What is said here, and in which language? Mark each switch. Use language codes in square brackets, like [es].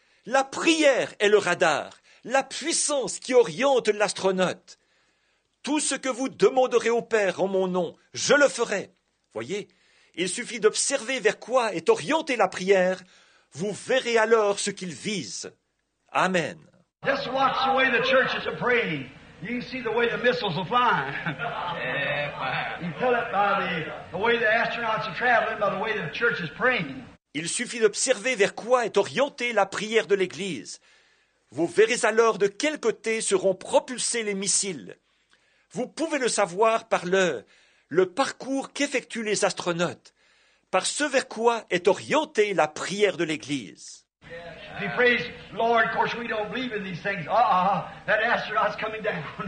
[fr] La prière est le radar. La puissance qui oriente l'astronaute. Tout ce que vous demanderez au Père en mon nom, je le ferai. Voyez, il suffit d'observer vers quoi est orientée la prière. Vous verrez alors ce qu'il vise. Amen. [en] Just watch the way the church is praying. You can see the way the missiles are flying. You tell it by the way the astronauts are traveling, by the way the church is praying. [fr] Il suffit d'observer vers quoi est orientée la prière de l'Église. Vous verrez alors de quel côté seront propulsés les missiles. Vous pouvez le savoir par le parcours qu'effectuent les astronautes, par ce vers quoi est orientée la prière de l'Église. [en] He prays, Lord, of course we don't believe in these things. Uh-uh, that astronaut's coming down.